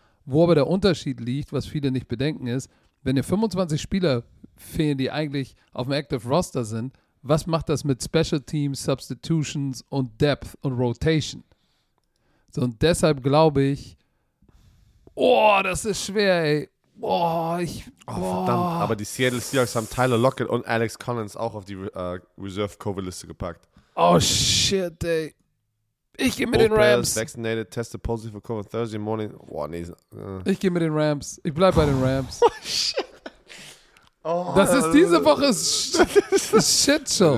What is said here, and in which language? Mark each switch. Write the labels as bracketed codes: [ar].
[de] Wo aber der Unterschied liegt, was viele nicht bedenken, ist, wenn dir 25 Spieler fehlen, die eigentlich auf dem Active Roster sind, was macht das mit Special Teams, Substitutions und Depth und Rotation? So, und deshalb glaube ich, oh, das ist schwer, ey. Verdammt, aber die Seattle Seahawks haben Tyler Lockett und Alex Collins auch auf die Reserve-Covid-Liste gepackt. Oh, shit, ey. Ich gehe mit den Rams. [en] Vaccinated, tested positive for COVID Thursday morning. [de] Boah, nee. Ich gehe mit den Rams. Ich bleib bei den Rams. Oh, shit. Oh, das ist diese Woche Shit Show.